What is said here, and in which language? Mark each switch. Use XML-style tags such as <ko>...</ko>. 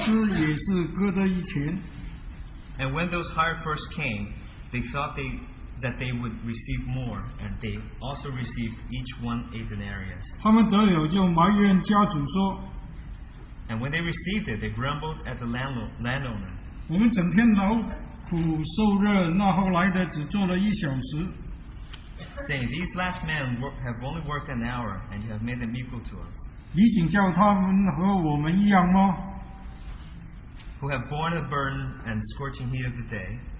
<zh>及至那先雇的来了，他们以为必要多得，谁知也是各得一钱。</zh> <en>And when those hired first came, they thought that they would receive more, and they also received each one a denarius.</en> <zh>他们得了就埋怨家主说,</zh> <en>and when they received it, they grumbled at the landowner.</en> <zh>我们整天劳。苦受热，那后来的只做了一小时。</zh> <en>Saying these last men have only worked an hour, and you have made them equal to us.</en> <zh>你竟叫他们和我们一样吗？</zh> <en>Who have borne the burden and scorching heat of the day?</en>